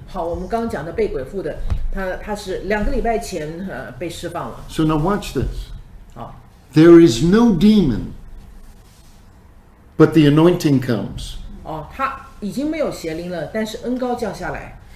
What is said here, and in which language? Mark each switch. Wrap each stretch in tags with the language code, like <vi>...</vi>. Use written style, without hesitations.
<zh>好，我们刚刚讲的被鬼附的，他是两个礼拜前被释放了。</zh> <en>So now watch this.</en> <zh>好。</zh> <en>There is no demon, but the anointing comes.</en> <zh>哦，他已经没有邪灵了，但是恩膏降下来。</zh>